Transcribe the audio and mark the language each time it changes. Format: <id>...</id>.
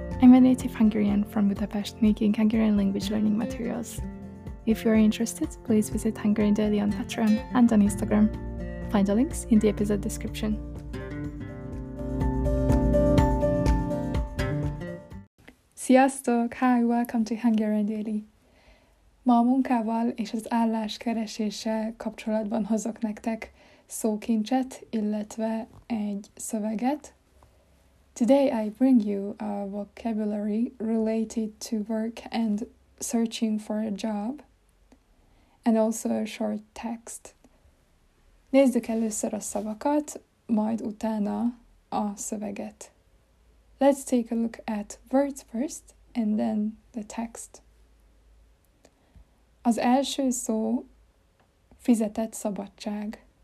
<en>I'm a native Hungarian from Budapest making Hungarian language learning materials. If you are interested, please visit Hungarian Daily on Patreon and on Instagram. Find the links in the episode description.</en> <hu>Sziasztok!</hu> <en>Hi, welcome to Hungarian Daily.</en> <hu>Ma a munkával és az állás kereséssel kapcsolatban hozok nektek szókincset, illetve egy szöveget.</hu> <en>Today I bring you a vocabulary related to work and searching for a job, and also a short text.</en> <hu>Nézzük először a szavakat, majd utána a szöveget.</hu> <en>Let's take a look at words first, and then the text.</en> <hu>Az első szó fizetett szabadság.</hu>